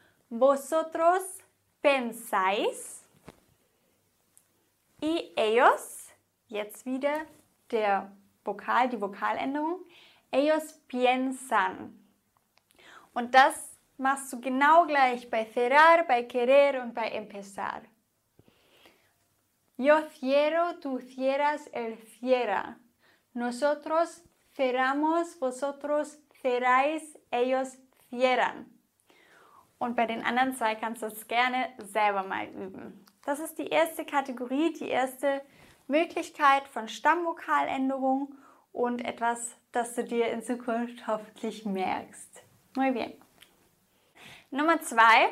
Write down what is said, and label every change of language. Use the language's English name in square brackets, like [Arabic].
[Spanish] Vosotros pensáis y ellos, [German] jetzt wieder der Vokal, die Vokaländerung, [Spanish] ellos piensan. [German] Und das machst du genau gleich bei cerrar, bei querer und bei empezar. [Spanish] Yo cierro, tú cierras, él cierra. Nosotros cerramos, vosotros cerráis, ellos cierran. [German] Und bei den anderen zwei kannst du es gerne selber mal üben. Das ist die erste Kategorie, die erste Möglichkeit von Stammvokaländerung und etwas, das du dir in Zukunft hoffentlich merkst. [Spanish] Muy bien. [German] Nummer 2.